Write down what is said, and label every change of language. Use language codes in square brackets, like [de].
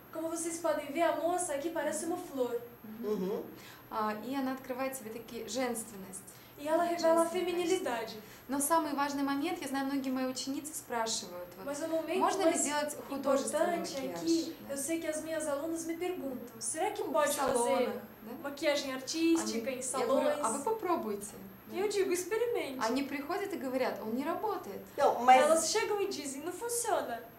[pt] Como vocês podem ver, a moça aqui parece uma flor. [ru] И она открывает себе такие женственность. [pt] E ela revela a feminilidade. [ru] Но самый важный момент, я знаю, многие мои ученицы спрашивают, можно ли сделать художественный макияж? [pt] Eu sei que as minhas alunas me perguntam, será que pode fazer maquiagem artística em salões? [ru] А вы попробуйте. [pt] Eu digo, experimente. [ru] Они приходят и говорят, он не работает. [pt] Elas chegam e dizem, não funciona.